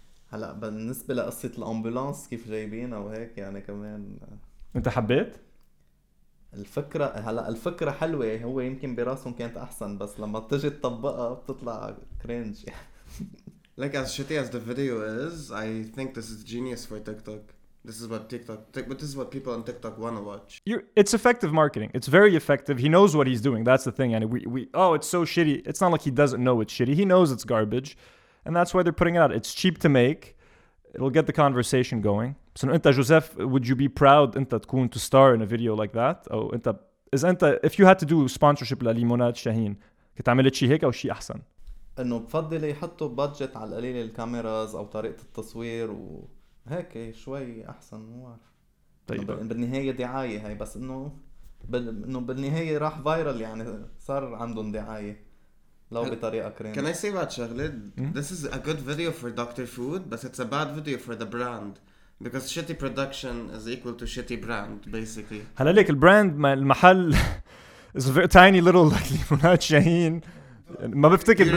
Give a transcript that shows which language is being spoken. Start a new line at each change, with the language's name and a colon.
Arabic: هلا بالنسبة لقصة الأمبولانس كيف جايبين أو هيك يعني كمان. أنت حبيت؟ الفكرة هلا الفكرة حلوة, هو يمكن براسهم كانت أحسن بس لما تجي تطبقها بتطلع كرينج.
English: Like as shitty as the video is, I think this is genius for TikTok. This is what TikTok, but this is what people on TikTok want to watch. It's effective marketing. It's very effective. He knows what he's doing. That's the thing. And oh, it's so shitty. It's not like he doesn't know it's shitty. He knows it's garbage. And that's why they're putting it out. It's cheap to make. It'll get the conversation going. So, Inta, Joseph, would you be proud, Inta Tkun, to star in a video like that? Oh, Inta, is Inta, if you had to do sponsorship la Limonad Shaheen,
Arabic: كتعمل شيء هيك أو شيء أحسن؟ إنه بفضل يحطوا بادجت على القليل الكاميرات أو طريقة التصوير وهيك شوي أحسن مو عارف. طيب. بالنهاية دعاية هاي بس إنه بالنهاية راح فايرل يعني صار عندهم دعاية. لو بطريقة كريمة.
English: Can I say about شغلة؟ This is a good video for Dr. Food, but it's a bad video for the brand. Because shitty production is equal to shitty brand, basically.
Arabic: هلا ليك البراند المحل
English: is a very tiny little like Limonad Shaheen.
Arabic: ما بفتكر